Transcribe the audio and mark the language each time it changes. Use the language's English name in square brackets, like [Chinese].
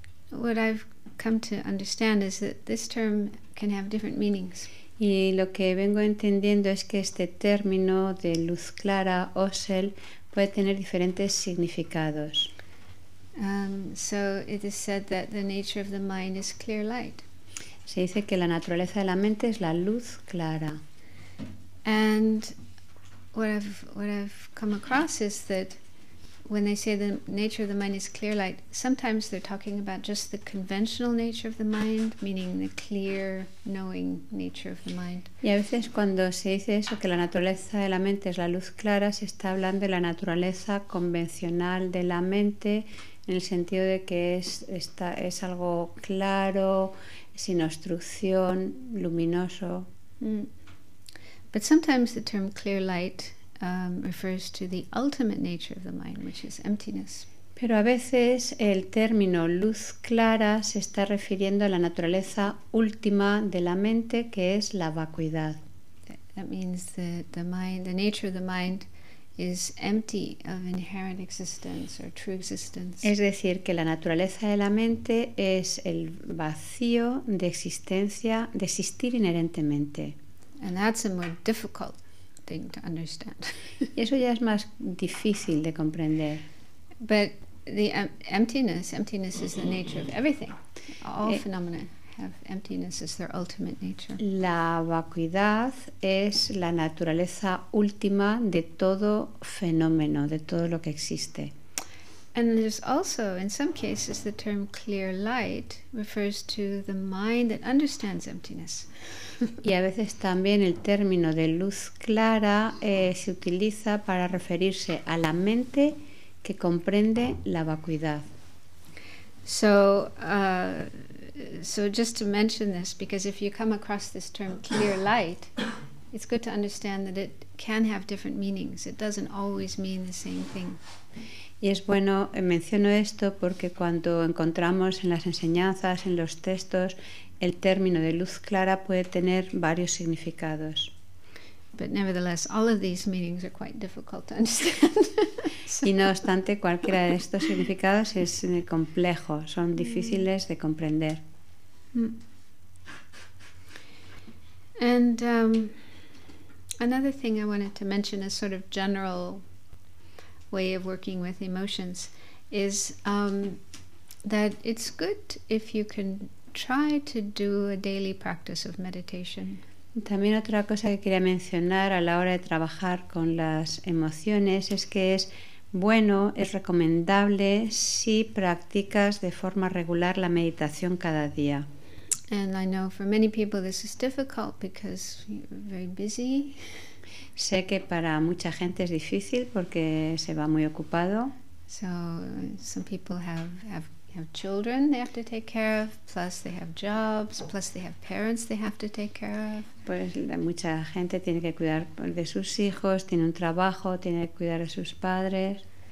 [English] What I've come to understand is that this term can have different meanings. [Spanish] Y lo que vengo entendiendo es que este término de luz clara, osel, puede tener diferentes significados. [English] So it is said that the nature of the mind is clear light. [Spanish] Se dice que la naturaleza de la mente es la luz clara. [English] And what I've come across is that when they say the nature of the mind is clear light, sometimes they're talking about just the conventional nature of the mind, meaning the clear knowing nature of the mind. [Spanish] Y a veces cuando se dice eso, que la naturaleza de la mente es la luz clara, se está hablando de la naturaleza convencional de la mente, en el sentido de que es algo claro, sin obstrucción, luminoso. [English] But sometimes the term clear light refers to the ultimate nature of the mind, which is emptiness. [Spanish] Pero a veces el término luz clara se está refiriendo a la naturaleza última de la mente, que es la vacuidad. [English] That means that the mind, the nature of the mind, is empty of inherent existence or true existence. [Spanish] Es decir, que la naturaleza de la mente es el vacío de existencia, de existir inherentemente. [English] And that's a more difficult thing to understand. [Spanish] Y eso ya es más difícil de comprender. [English] But the emptiness is the nature of everything, all phenomena. have emptiness as their ultimate nature. [Spanish] La vacuidad es la naturaleza última de todo fenómeno, de todo lo que existe. [English] And there's also, in some cases, the term clear light refers to the mind that understands emptiness. [Spanish] Y a veces también el término de luz clara se utiliza para referirse a la mente que comprende la vacuidad. [English] So just to mention this, because if you come across this term clear light, it's good to understand that it can have different meanings. It doesn't always mean the same thing. [Spanish] Y es bueno, menciono esto porque cuando encontramos en las enseñanzas, en los textos, el término de luz clara puede tener varios significados. [English] But nevertheless, all of these meanings are quite difficult to understand. So. [Spanish] Y no obstante, cualquiera de estos significados es complejo, son difíciles de comprender. [English] And another thing I wanted to mention is sort of general way of working with emotions is that it's good if you can try to do a daily practice of meditation. [Spanish] También otra cosa que quería mencionar a la hora de trabajar con las emociones es que es bueno, es recomendable si practicas de forma regular la meditación cada día. [English] And I know for many people this is difficult because you're very busy. [Spanish] Sé que para mucha gente es difícil porque se va muy ocupado. [English] So some people have children they have to take care of, plus they have jobs, plus they have parents they have to take care of. [Spanish] Pues mucha gente tiene que cuidar de sus hijos, tiene un trabajo, tiene que cuidar de sus padres.